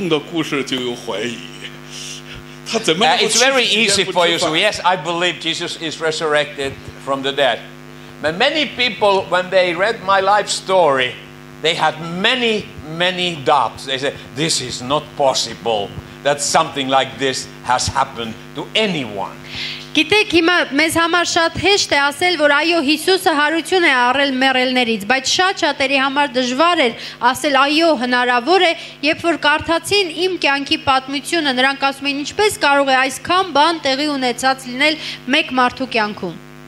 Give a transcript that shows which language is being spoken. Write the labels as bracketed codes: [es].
[hy] մեռելներից。 [zh] 这是你现在站在这里，是相信真正有人告诉你一个故事的时候，你可能会像多马说：“我对天上人云弟兄的故事就有怀疑。” [en] It's very easy for you. So yes, I believe Jesus is resurrected from the dead. But many people, when they read my life story, they had many, many doubts. They said, "This is not possible that something like this has happened to anyone." [hy] Գիտեք, հիմա մեզ համար շատ հեշտ է ասել, որ այո, Հիսուսը հարություն է առել մեռելներից, բայց շատ շատերի համար դժվար էր ասել, այո, հնարավոր է, երբ որ կարդացին իմ կյանքի պատմությունը, նրանք ասում են, ինչպես կարող է այսքան բան տեղի ունեցած լինել մեկ մարդու կյանքում։